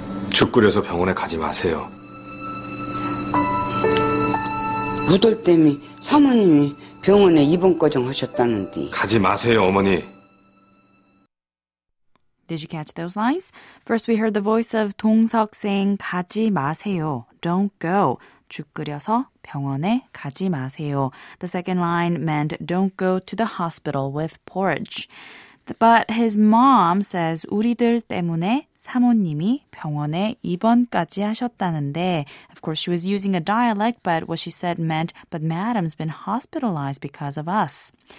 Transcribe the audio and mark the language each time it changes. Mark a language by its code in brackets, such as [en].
[ko] 죽 끓여서 병원에 가지 마세요. 우덜 때문에 사모님이 병원에 입원과정 하셨다는데. 가지 마세요, 어머니. [en] Did you catch those lines? First, we heard the voice of 동석 saying [ko] 가지 마세요, [en] don't go. [ko] 죽 끓여서 병원에 가지 마세요. [en] The second line meant don't go to the hospital with porridge. But his mom says [ko] 우리들 때문에 사모님이 병원에 입원까지 하셨다는데. [en] Of course, she was using a dialect, but what she said meant, but madam's been hospitalized because of us.